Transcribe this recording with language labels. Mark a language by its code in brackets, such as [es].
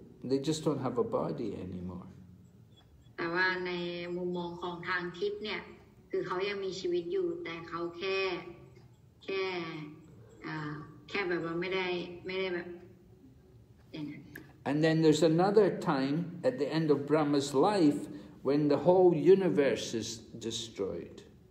[en] They just don't have a body anymore. [th] แต่ว่าในมุมมองของทางทิพย์เนี่ยคือเขายังมีชีวิตอยู่แต่เขาแค่แบบว่าไม่ได้แบบ [en] And then there's another time at the end of Brahma's life when the whole universe is destroyed.